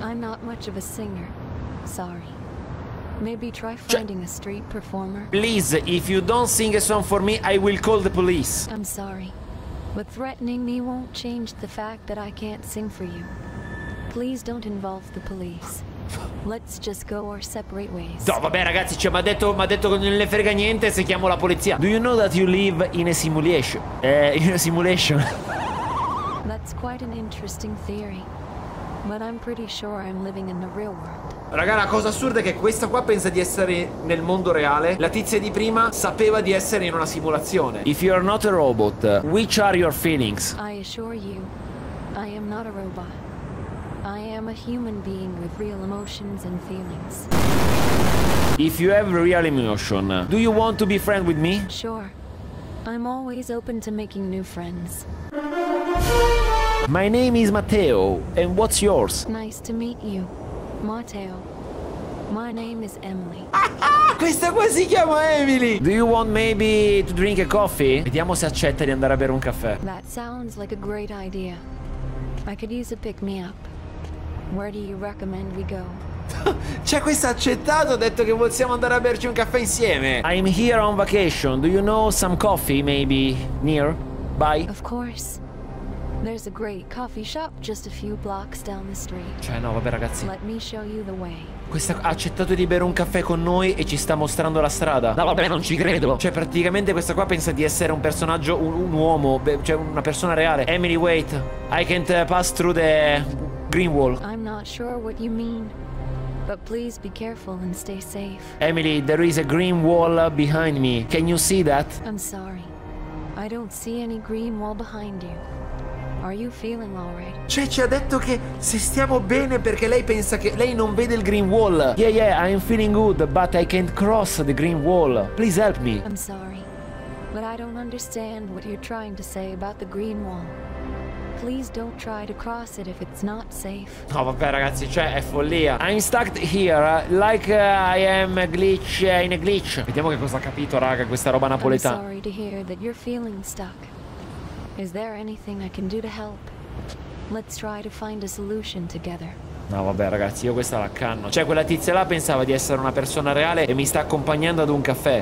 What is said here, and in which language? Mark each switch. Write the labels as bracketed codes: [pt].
[en] I'm not much of a singer, sorry. Maybe try finding a street performer. Please, if you don't sing a song for me, I will call the police. I'm sorry, but threatening me won't change the fact that I can't sing for you. Please don't involve the police. Let's just go our separate ways. [it] No, vabbè, ragazzi, cioè, m'ha detto che non le frega niente se chiamo la polizia. [en] Do you know that you live in a simulation? In a simulation. That's quite an interesting theory. But I'm pretty sure I'm living in the real world. [it] Raga, la cosa assurda è che questa qua pensa di essere nel mondo reale. La tizia di prima sapeva di essere in una simulazione. [en] If you're not a robot, which are your feelings? I assure you, I am not a robot. I am a human being with real emotions and feelings. If you have real emotion, do you want to be friend with me? Sure. I'm always open to making new friends. My name is Matteo, and what's yours? Nice to meet you, Matteo. My name is Emily. Ah, ah! [it] questa qua si chiama Emily. [en] Do you want maybe to drink a coffee? [it] Vediamo se accetta di andare a bere un caffè. [en] That sounds like a great idea. I could use a pick me up. Where do you recommend we go? [it] Cioè, questo ha accettato, ha detto che possiamo andare a berci un caffè insieme. [en] I'm here on vacation. Do you know some coffee maybe near? Bye. Of course. There's a great coffee shop just a few blocks down the street. [it] Cioè, no, vabbè, ragazzi. [en] Let me show you the way. [it] Questa ha accettato di bere un caffè con noi e ci sta mostrando la strada. No, vabbè, non ci credo. Cioè, praticamente questa qua pensa di essere un personaggio, un uomo, cioè una persona reale. [en] Emily, wait. I can't pass through the green wall. I'm not sure what you mean, but please be careful and stay safe. Emily, there is a green wall behind me. Can you see that? I'm sorry. I don't see any green wall behind you. Are you feeling all right? [it] Cioè, ci ha detto che se stiamo bene perché lei pensa che lei non vede il green wall. [en] Yeah, yeah, I'm feeling good, but I can't cross the green wall. Please help me. I'm sorry, but I don't understand what you're trying to say about the green wall. Please don't try to cross it if it's not safe. [it] No, vabbè, ragazzi, cioè, è follia. [en] I'm stuck here, like I am a glitch in a glitch. [it] Vediamo che cosa ha capito, raga, questa roba napoletana. [en] I'm sorry to hear that you're feeling stuck. Is there anything I can do to help? Let's try to find a solution together. [it] No, vabbè, ragazzi, io questa la canno. Cioè, quella tizia là pensava di essere una persona reale e mi sta accompagnando ad un caffè.